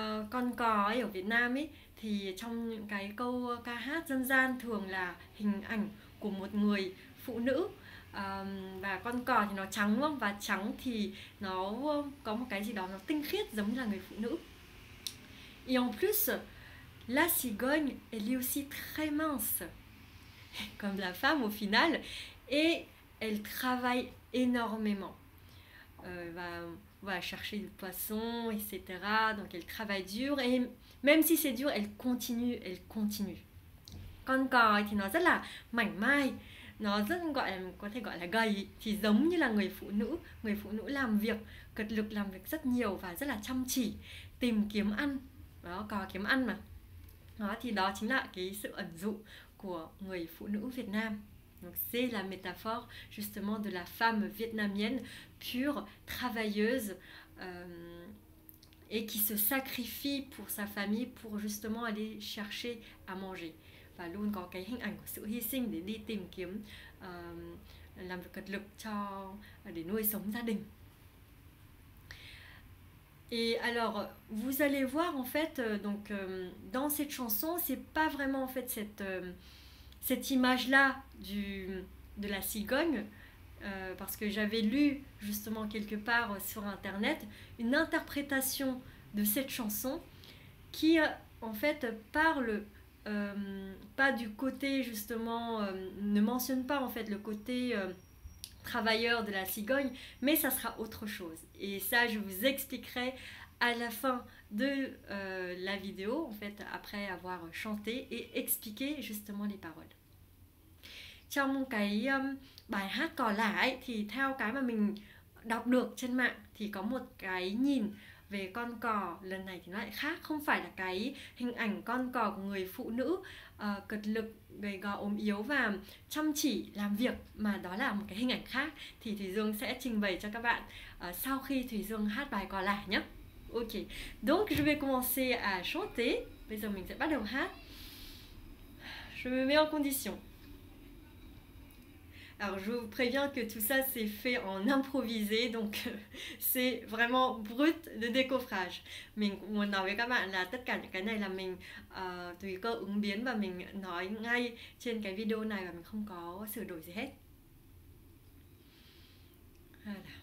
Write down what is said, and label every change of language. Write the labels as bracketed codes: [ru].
[vi] Con cò ấy ở Việt Nam ấy thì trong cái câu ca hát dân gian thường là hình ảnh của một người phụ nữ và con cò thì nó trắng đúng không? Và trắng thì nó có một cái gì đó nó tinh khiết giống như là người phụ nữ. [fr] Et en plus, la cigogne elle est aussi très mince comme la femme au final et elle travaille énormément. Chercher du poisson, etc. Donc elle travaille dur et même si c'est dur, elle continue. [vi] Con cò thì nó rất là mảnh mai, nó rất có thể gọi là gầy, thì giống như là người phụ nữ làm việc cật lực, làm việc rất nhiều và rất là chăm chỉ tìm kiếm ăn đó, cò kiếm ăn mà đó, thì đó chính là cái sự ẩn dụ của người phụ nữ Việt Nam. [fr] Donc c'est la métaphore justement de la femme vietnamienne pure, travailleuse et qui se sacrifie pour sa famille pour justement aller chercher à manger. [vi] Và luôn có cái hình ảnh của sự hy sinh để đi tìm kiếm làm việc cật lực cho để nuôi sống gia đình. [fr] Et alors vous allez voir en fait donc dans cette chanson, c'est pas vraiment en fait cette image-là de la cigogne, parce que j'avais lu justement quelque part sur internet une interprétation de cette chanson qui en fait parle pas du côté justement, ne mentionne pas en fait le côté travailleur de la cigogne, mais ça sera autre chose. Et ça je vous expliquerai à la fin de la vidéo, en fait après avoir chanté et expliqué justement les paroles. [vi] Trong cái bài hát Cò Là ấy, thì theo cái mà mình đọc được trên mạng thì có một cái nhìn về con cò lần này thì nó lại khác, không phải là cái hình ảnh con cò của người phụ nữ cật lực, gầy gò, ốm yếu và chăm chỉ làm việc, mà đó là một cái hình ảnh khác, thì Thùy Dương sẽ trình bày cho các bạn sau khi Thùy Dương hát bài Cò Là nhé. [fr] Ok, donc je vais commencer à chanter. [vi] Bây giờ mình sẽ bắt đầu hát. [fr] Je me mets en condition. Alors, je vous préviens que tout ça, c'est fait en improvisé, donc c'est vraiment brut de décoffrage. [vi] Mình muốn nói với các bạn là tất cả những cái này là mình tùy cơ ứng biến và mình nói ngay trên cái video này và mình không có sửa đổi gì hết. Voilà.